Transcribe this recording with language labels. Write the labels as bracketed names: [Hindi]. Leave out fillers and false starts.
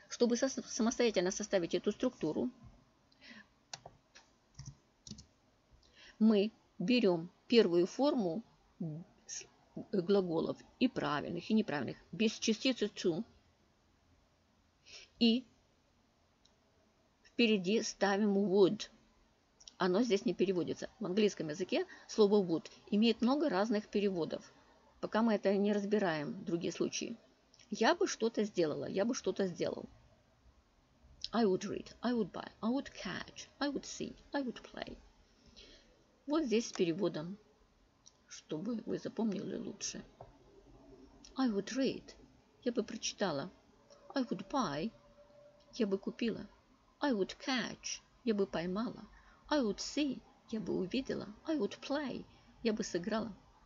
[Russian] Чтобы самостоятельно составить эту структуру, мы берем первую форму глаголов и правильных, и неправильных, без частицы to, и впереди ставим would. Оно здесь не переводится. В английском языке слово would имеет много разных переводов. Пока мы это не разбираем, другие случаи. Я бы что-то сделала, я бы что-то сделал. [English] I would read, I would buy, I would catch, I would sing, I would play. [Russian] Вот здесь с переводом, чтобы вы запомнили лучше. [English] I would read. [Russian] Я бы прочитала. [English] I would buy. [Russian] Я бы купила. [English] I would catch. [Russian] Я бы поймала. [English] I would see. [Russian] Я бы увидела. [English] I would play. [Russian] Я бы сыграла.